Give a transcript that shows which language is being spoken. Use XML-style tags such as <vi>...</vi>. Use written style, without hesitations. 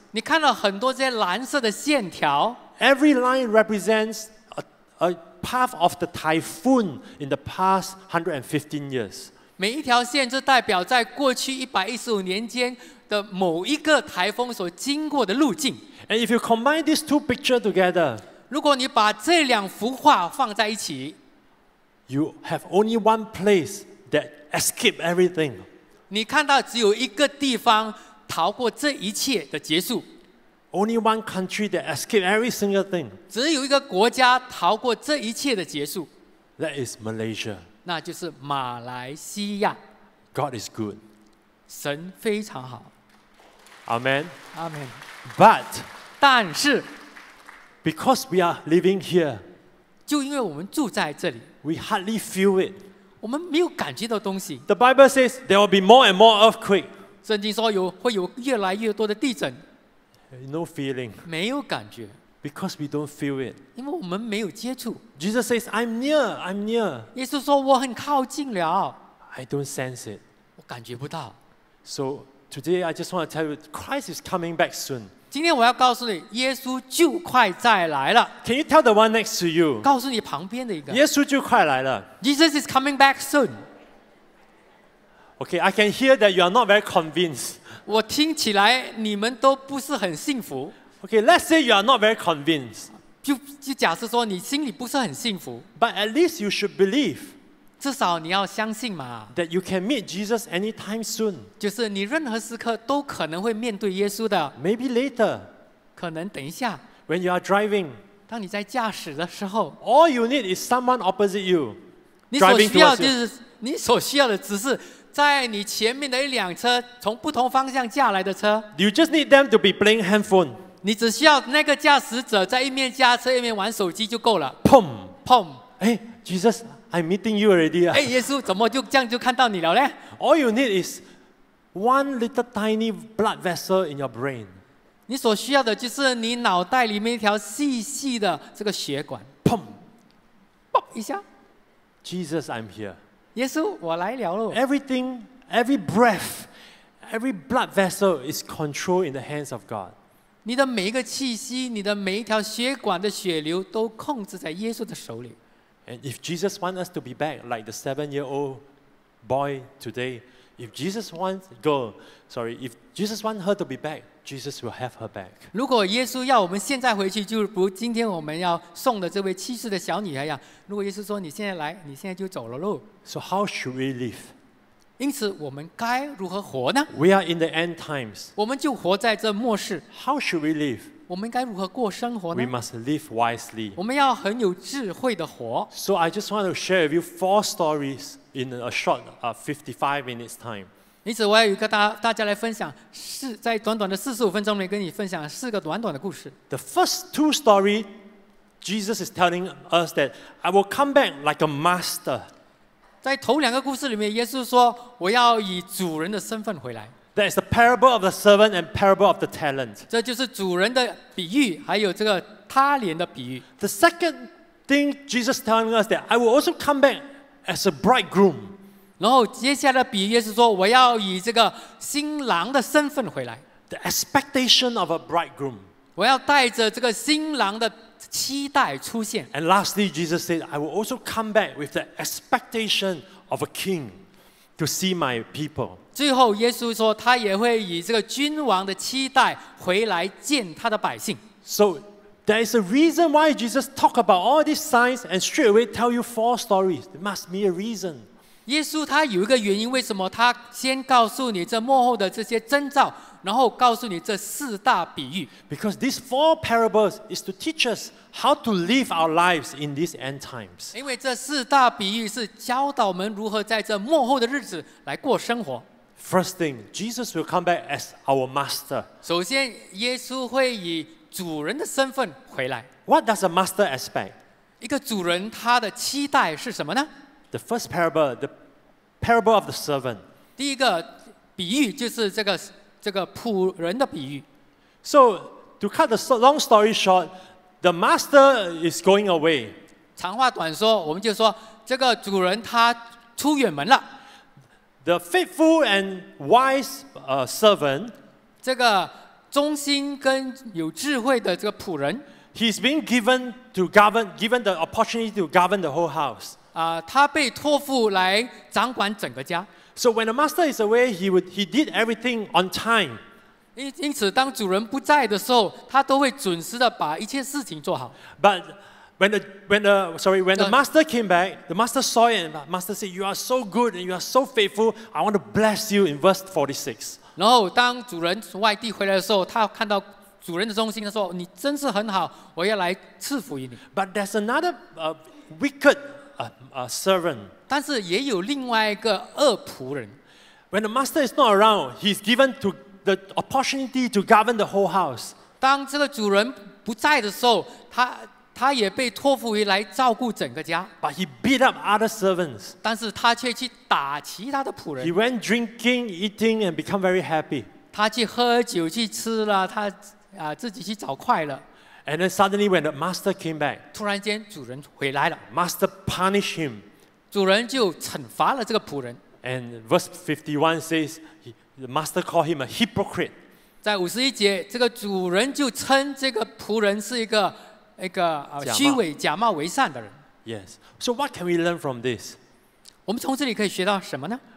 <zh>你看到很多这些蓝色的线条。</zh> <en>Every line represents a path of the typhoon in the past 115 years.</en> <zh>每一条线就代表在过去115年间的某一个台风所经过的路径。</zh> <en>And if you combine these two pictures together,</en> <zh>如果你把这两幅画放在一起,</zh> <en>you have only one place that escaped everything.</en> <zh>你看到只有一个地方逃过这一切的结束。</zh> <en>Only one country that escaped every single thing.</en> <zh>只有一个国家逃过这一切的结束。</zh> <en>That is Malaysia.</en> <zh>那就是马来西亚。</zh> <en>God is good.</en> <zh>神非常好。</zh> <en>Amen. Amen. But,</en> <zh>但是</zh> <en>because we are living here,</en> <zh>就因为我们住在这里</zh> <en>we hardly feel it.</en> <zh>我们没有感觉到东西。</zh> <en>The Bible says there will be more and more earthquake.</en> <zh>圣经说会有越来越多的地震。</zh> <en>No feeling.</en> <zh>没有感觉。</zh> <en>Because we don't feel it.</en> <zh>因为我们没有接触。</zh> <en>Jesus says, "I'm near. I'm near."</en> <zh>耶稣说我很靠近了。</zh> <en>I don't sense it.</en> <zh>我感觉不到。</zh> <en>So today, I just want to tell you, Christ is coming back soon.</en> <zh>今天我要告诉你，耶稣就快再来了。</zh> <en>Can you tell the one next to you?</en> <zh>告诉你旁边的一个。耶稣就快来了。</zh> <en>Jesus is coming back soon. Okay, I can hear that you are not very convinced.</en> <zh>我听起来你们都不是很幸福。</zh> <en>Okay, let's say you are not very convinced.</en> <zh>就假设说你心里不是很幸福。</zh> <en>But at least you should believe.</en> <zh>至少你要相信嘛。</zh> <en>That you can meet Jesus anytime soon.</en> <zh>就是你任何时刻都可能会面对耶稣的。</zh> <en>Maybe later.</en> <zh>可能等一下。</zh> <en>When you are driving.</en> <zh>当你在驾驶的时候。</zh> <en>All you need is someone opposite you.</en> <zh>你所需要就是你所需要的只是。在你前面的一辆车从不同方向驾来的车</zh> <en>You just need them to be playing handphone</en> <zh>你只需要那个驾驶者在一面驾车一面玩手机就够了 Pum Pum</zh> <en>Hey Jesus I'm meeting you already</en> <zh>耶稣怎么就这样就看到你了呢</zh> <en>All you need is one little tiny blood vessel in your brain</en> <zh>你所需要的就是你脑袋里面一条细细的这个血管 Pum 一下。</zh> <en>Jesus, I'm here.</en> <zh>耶稣，我来了喽。</zh> <en>Everything, every breath, every blood vessel is controlled in the hands of God.</en> <zh>你的每一个气息，你的每一条血管的血流都控制在耶稣的手里。</zh> <en>And if Jesus wants us to be back like the seven-year-old boy today, if Jesus wants girl, sorry, if Jesus wants her to be back, Jesus will have her back.</en> <zh>如果耶稣要我们现在回去，就如今天我们要送的这位七岁的小女孩一样，如果耶稣说你现在来，你现在就走了喽。</zh> <en>So how should we live?</en> <zh>因此我们该如何活呢？</zh> <en>We are in the end times.</en> <zh>我们就活在这末世。</zh> <en>How should we live?</en> <zh>我们该如何过生活呢？</zh> <en>We must live wisely.</en> <zh>我们要很有智慧的活。</zh> <en>So I just want to share with you four stories in a short 55 minutes time.</en> <zh>因此我要跟大家来分享，在短短的45分钟里跟你分享四个短短的故事。</zh> <en>The first two stories, Jesus is telling us that I will come back like a master.</en> <zh>在头两个故事里面，耶稣说，我要以主人的身份回来。</zh> <en>That is the parable of the servant and parable of the talent.</en> <zh>这就是主人的比喻，还有这个他连的比喻。</zh> <en>The second thing Jesus telling us that I will also come back as a bridegroom.</en> <zh>然后接下来的比喻也是说，我要以这个新郎的身份回来。</zh> <en>The expectation of a bridegroom.</en> <zh>我要带着这个新郎的期待出现。</zh> <en>And lastly, Jesus said, I will also come back with the expectation of a king to see my people.</en> <zh>最后耶稣说他也会以这个君王的期待回来见他的百姓。</zh> <en>So there is a reason why Jesus talked about all these signs and straight away tell you four stories. There must be a reason.</en> <zh>耶稣他有一个原因，为什么他先告诉你这幕后的这些征兆，然后告诉你这四大比喻。</zh> <en>Because these four parables is to teach us how to live our lives in these end times.</en> <zh>因为这四大比喻是教导我们如何在这幕后的日子来过生活。</zh> <en>First thing, Jesus will come back as our master.</en> <zh>首先，耶稣会以主人的身份回来。</zh> <en>What does a master expect?</en> <zh>一个主人他的期待是什么呢？</zh> <en>The first parable, the parable of the servant.</en> <zh>第一个比喻就是这个仆人的比喻。</zh> <en>So, to cut the long story short, the master is going away.</en> <zh>长话短说，我们就说这个主人他出远门了。</zh> <en>The faithful and wise servant,</en> <zh>这个忠心跟有智慧的这个仆人,</zh> <en>he's been given the opportunity to govern the whole house.</en> <zh>他被托付来掌管整个家。</zh> <en>So when the master is away, he did everything on time.</en> <zh>因此当主人不在的时候，他都会准时的把一切事情做好。</zh> <en>But When the master came back, the master saw it and the master said, "You are so good and you are so faithful. I want to bless you." In verse 46.</en> <zh>然后当主人从外地回来的时候，他看到主人的忠心，他说：“你真是很好，我要来赐福于你。”</zh> <en>But there's another wicked servant.</en> <zh>但是也有另外一个恶仆人。</zh> <en>When the master is not around, he's given to the opportunity to govern the whole house.</en> <zh>当这个主人不在的时候，他也被托付于来照顾整个家。</zh> <en>But he beat up other servants.</en> <zh>但是他却去打其他的仆人。</zh> <en>He went drinking, eating, and become very happy.</en> <zh>他去喝酒去吃了，他自己去找快乐。</zh> <en>And then suddenly, when the master came back,</en> <zh>突然间主人回来了。</zh> <en>Master punished him.</en> <zh>主人就惩罚了这个仆人。</zh> <en>And verse 51 says, the master called him a hypocrite.</en> <zh>在五十一节，这个主人就称这个仆人是一个虚伪假冒为善的人。</zh> <en>Yes. So what can we learn from this?</en> <zh>我们从这里可以学到什么呢？</zh>